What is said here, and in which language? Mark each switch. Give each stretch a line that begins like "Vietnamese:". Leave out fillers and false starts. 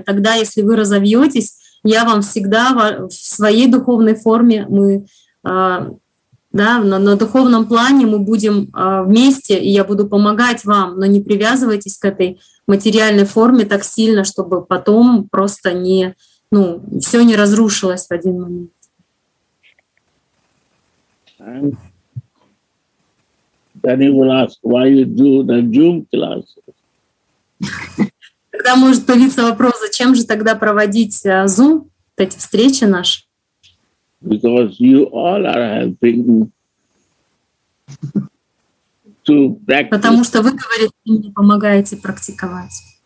Russian: Тогда, если вы разовьетесь, я вам всегда в своей духовной форме, мы да, на духовном плане мы будем вместе, и я буду помогать вам, но не привязывайтесь к этой материальной форме так сильно, чтобы потом просто не... Ну, все не разрушилось в один момент.
English: And then he will ask, why you do the Zoom classes?
Russian: Тогда может появиться вопрос, зачем же тогда проводить Zoom, вот эти встречи наши?
English: Because you all are helping to practice.
Russian: Потому что вы, говорите, мне помогаете практиковать.